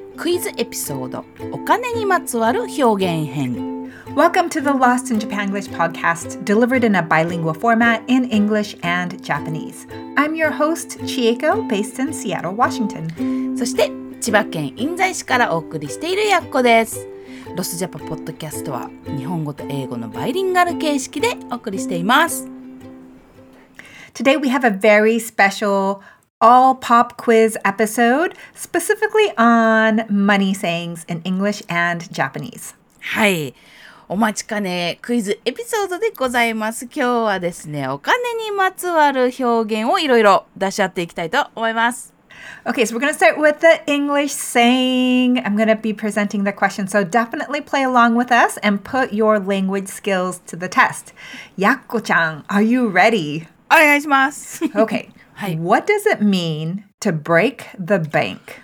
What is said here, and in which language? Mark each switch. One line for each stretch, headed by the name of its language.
Japanese: クイズエピソード、お金にまつわる表現編。
English: Welcome to the Lost in Japan English podcast, delivered in a bilingual format in English and Japanese. I'm your host, Chieko, based in Seattle, Washington.
Japanese: そして、千葉県印西市からお送りしているやっこです。ロスジャパポッドキャストは日本語と英語のバイリンガル形式でお送りしています。
English: Today we have a very special all pop quiz episode, specifically on money sayings in English and Japanese.
Japanese: はい。お待ちかね、クイズエピソードでございます。今日はですね、お金にまつわる表現をいろいろ出し合っていきたいと思います。
English: Okay, so we're going to start with the English saying. I'm going to be presenting the question, so definitely play along with us and put your language skills to the test. Yakko-chan, are you ready?
Japanese: お願いします。
English: Okay, 、はい、what does it mean to break the bank?